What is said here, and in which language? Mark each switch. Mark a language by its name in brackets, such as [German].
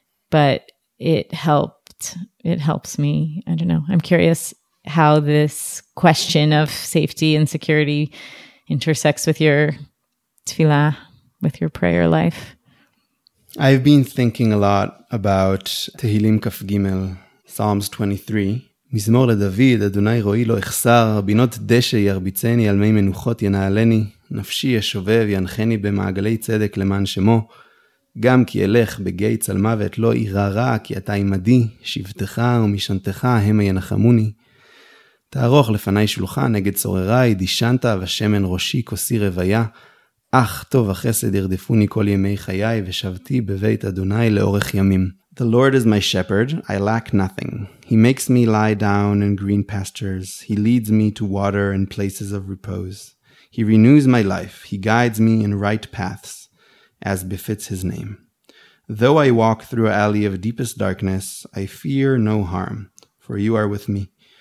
[English] But it helped. It helps me. I don't know. I'm curious how this question of safety and security intersects with your tefillah, with your prayer life. I've been thinking a lot about Tehillim Kaf Gimel, Psalms 23. [Hebrew] מזמור לדוד, אדוני רואי לו אכסר, בינות דשא ירביצני, על מי מנוחות ינעלני, נפשי ישובב, ינחני במעגלי צדק למען שמו, גם כי אלך בגי צל מוות, לא אירע רע, כי אתה עמדי, שבטך ומשנתך, המה ינחמוני. תערוך לפני שולחן, נגד צורריי, דישנת, ושמן ראשי, כוסי רוויה, אך טוב החסד ירדפוני כל ימי חיי, ושבתי בבית אדוני לאורך ימים. [English] The Lord is my shepherd, I lack nothing. He makes me lie down in green pastures. He leads me to water and places of repose. He renews my life. He guides me in right paths, as befits his name. Though I walk through an alley of deepest darkness, I fear no harm, for you are with me.